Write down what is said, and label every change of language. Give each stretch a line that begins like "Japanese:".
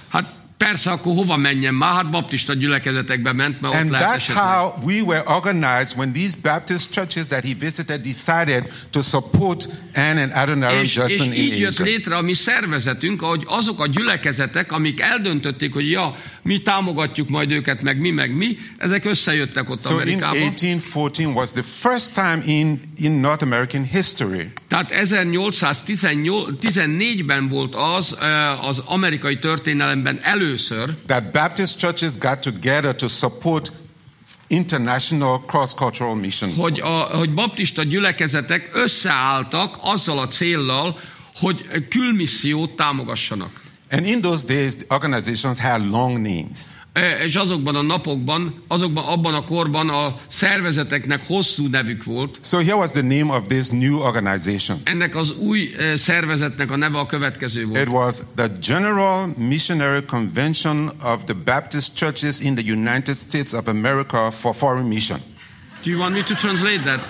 Hungarian: Hát persze, akkor hova menjen már? Hát baptista gyülekezetekbe ment, mert
English: and
Hungarian: ott lehet esetleg.
English: And that's how we were organized when these Baptist churches that he visited decided to support Ann and Adoniram Judson in Asia.
Hungarian: És így jött létre a mi szervezetünk, ahogy azok a gyülekezetek, amik eldöntötték, hogy ja, mi támogatjuk majd őket, meg mi, ezek összejöttek ott
English: so
Hungarian: Amerikába.
English: So in 1814 was the first time in North American history.
Hungarian: Tehát 1814-ben volt az az amerikai történelemben először,
English: that Baptist churches got together to support international cross-cultural mission.
Hungarian: Hogy baptista gyülekezetek összeálltak azzal a céllal, hogy külmissziót támogassanak.
English: And in those days, the organizations had long names.
Hungarian: És azokban a napokban, abban a korban a szervezeteknek hosszú nevük volt.
English: So here was the name of this new organization.
Hungarian: Ennek az új szervezetnek a neve a következő volt.
English: It was the General Missionary Convention of the Baptist Churches in the United States of America for Foreign Mission. Do you want me to translate that?